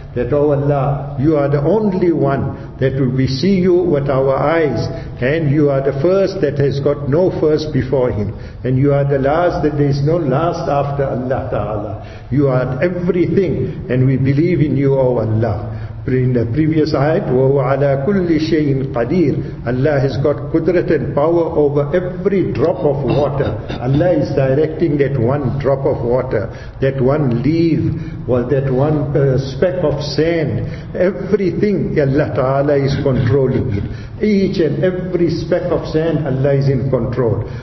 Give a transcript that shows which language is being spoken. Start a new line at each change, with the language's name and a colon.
English: That, oh Allah, you are the only one that we see you with our eyes, and you are the first that has got no first before him, and you are the last that there is no last after Allah Ta'ala. You are everything, and we believe in you, oh Allah. In the previous ayat,
Arabic: وَهُوَ عَلَىٰ كُلِّ شَيْءٍ قَدِيرٍ.
English: Allah has got qudrat and power over every drop of water. Allah is directing that one drop of water, that one leaf, or that one speck of sand. Everything Allah Ta'ala is controlling it. Each and every speck of sand, Allah is in control.